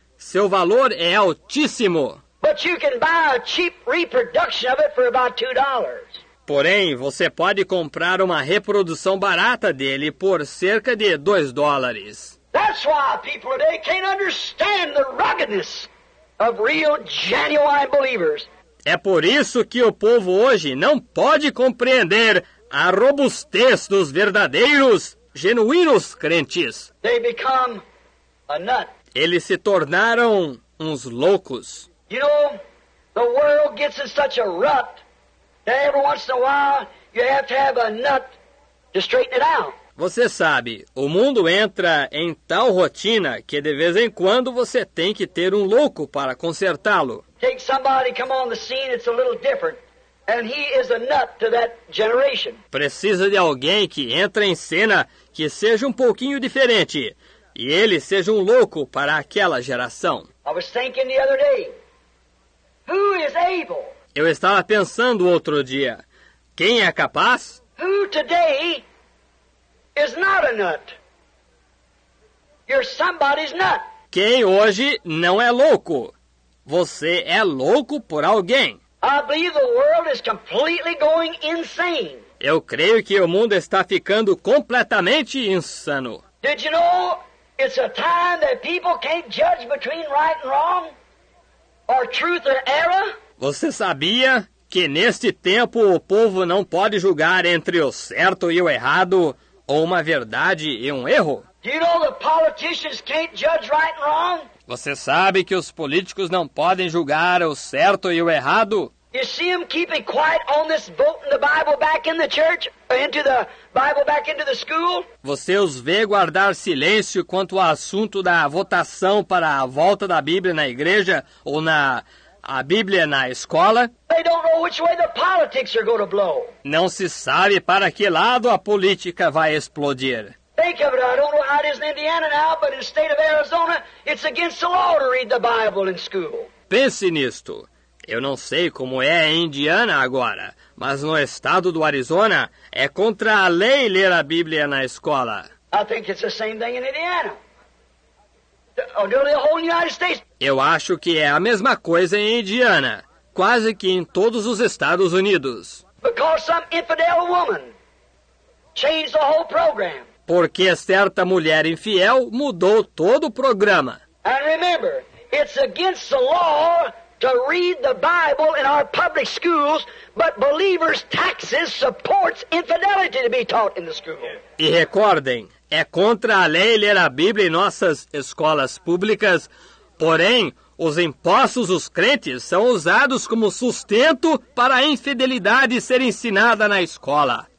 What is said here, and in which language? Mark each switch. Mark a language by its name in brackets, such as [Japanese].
[Portuguese] Seu valor é altíssimo. [English] But you can buy a cheap reproduction of it for about $2. [Portuguese] Porém, você pode comprar uma reprodução barata dele por cerca de $2. [English] That's why people today can't understand the ruggedness of real, genuine believers. [Portuguese] É por isso que o povo hoje não pode compreender a robustez dos verdadeiros, genuínos crentes. [English] They become a nut. [Portuguese] Eles se tornaram uns loucos. [English] You know, the world gets in such a rut that every once in a while you have to have a nut to straighten it out. [Portuguese] Você sabe, o mundo entra em tal rotina que de vez em quando você tem que ter um louco para consertá-lo. [English] Take somebody, come on the scene, it's a little different. And he is a nut to that generation. [Portuguese] Precisa de alguém que entre em cena que seja um pouquinho diferente. E ele seja um louco para aquela geração. [English] I was thinking the other day, who is able? [Portuguese] Eu estava pensando outro dia, quem é capaz? [English] Who today is not a nut. You're somebody's nut. [Portuguese] Quem hoje não é louco? Você é louco por alguém. [English] I believe the world is completely going insane. [Portuguese] Eu creio que o mundo está ficando completamente insano. [English] Did you know it's a time that people can't judge between right and wrong? Or truth or error? [Portuguese] Você sabia que neste tempo o povo não pode julgar entre o certo e o errado? Ou uma verdade e um erro? [English] You know the politicians can't judge right and wrong? [Portuguese] Você sabe que os políticos não podem julgar o certo e o errado? [English] You see them keeping quiet on this voting the Bible back in the church, into the Bible back into the school? [Portuguese] Você os vê guardar silêncio quanto ao assunto da votação para a volta da Bíblia na igreja ou na a Bíblia na escola? [English] They don't know which way the politics are going to blow. [Portuguese] Não se sabe para que lado a política vai explodir. [English] Think of it, I don't know how it is in Indiana now, but in the state of Arizona, it's against the law to read the Bible in school. [Portuguese] Pense nisto. Eu não sei como é em Indiana agora, mas no estado do Arizona, é contra a lei ler a Bíblia na escola. [English] I think it's the same thing in Indiana. The whole United States. [Portuguese] Eu acho que é a mesma coisa em Indiana, quase que em todos os Estados Unidos. [English] Because some infidel woman changed the whole program. [Portuguese] Porque certa mulher infiel mudou todo o programa. [English] And remember, it's against the law to read the Bible in our public schools, but believers' taxes supports infidelity to be taught in the school. [Portuguese] E recordem, é contra a lei ler a Bíblia em nossas escolas públicas, porém, os impostos dos crentes são usados como sustento para a infidelidade ser ensinada na escola.